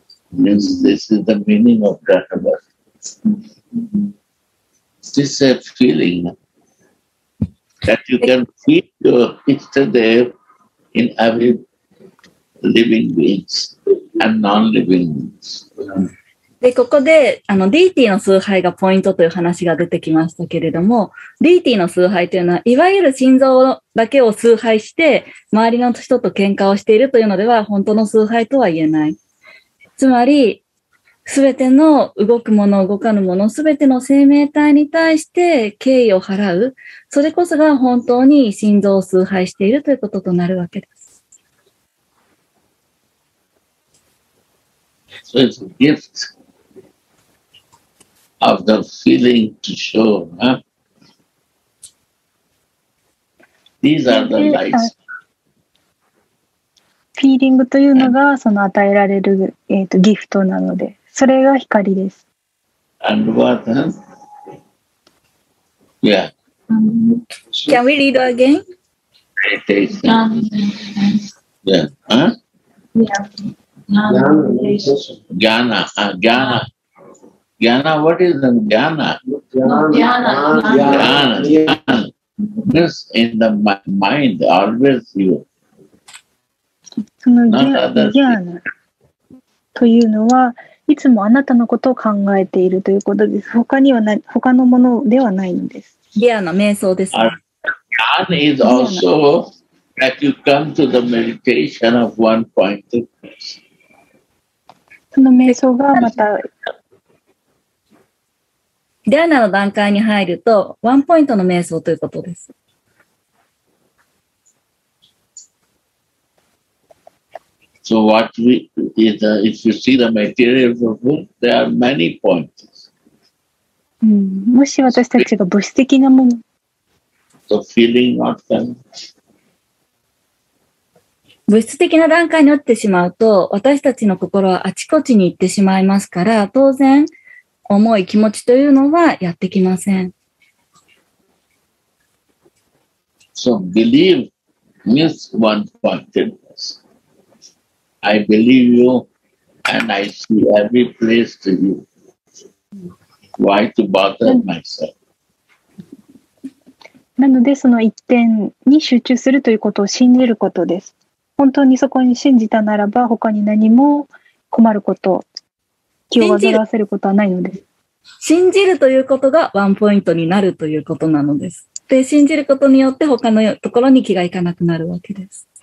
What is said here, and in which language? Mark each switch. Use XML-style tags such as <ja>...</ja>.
<en>Means this is the meaning of Gautama. This is a feeling that you can feel your still in every living beings and non-living beings.</en> <ja>で、ここで、ディーティーの崇拝がポイントという話が出てきましたけれども、ディーティーの崇拝というのは、いわゆる心臓だけを崇拝して、周りの人と喧嘩をしているというのでは、本当の崇拝とは言えない。つまり、すべての動くもの、動かぬもの、すべての生命体に対して敬意を払う。それこそが本当に心臓を崇拝しているということとなるわけです。</ja> <en>So it's a gift of the feeling to show, huh? These are the lights.</en> <ja>Feeling というのがその与えられる、ギフトなので、それが光です。</ja> <en>And what? Yeah. Can we read again? It is. Yeah. Jnana. Jnana. Jnana, what is Jnana? Jnana. Jnana. Jnana. This in the mind, always you. Jnana.</en> <ja>というのは、いつもあなたのことを考えているということです。他にはない、他のものではないんです。 Jnana, 瞑想です。</ja> <en>Jnana is also that you come to the meditation of one point of view.</en> <ja>その瞑想がまた。ディアナの段階に入ると、ワンポイントの瞑想ということです。</ja> <en>So what we, is, if you see the material of it, there are many points.、</en> <ja>もし私たちが物質的なもの。</ja> <en>So feeling not them.</en> <ja>物質的な段階になってしまうと、私たちの心はあちこちに行ってしまいますから、当然、思い、気持ちというのはやってきません。</ja> <en>So, believe means one pointedness. I believe you and I see every place to you. Why to bother myself?</en> <ja>なので、その一点に集中するということを信じることです。本当にそこに信じたならば他に何も困ること気を煩わせることはないのです信じるということがワンポイントになるということなのですで信じることによって他のところに気がいかなくなるわけです</ja>